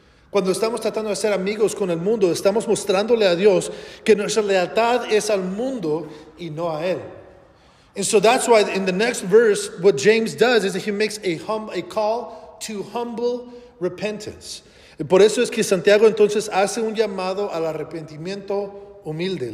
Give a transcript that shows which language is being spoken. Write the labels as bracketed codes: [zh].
[es] Cuando estamos tratando de ser amigos con el mundo, estamos mostrándole a Dios que nuestra lealtad es al mundo y no a Él. [en] And so that's why in the next verse, what James does is that he makes a call to humble repentance. [es] Y por eso es que Santiago entonces hace un llamado al arrepentimiento humilde.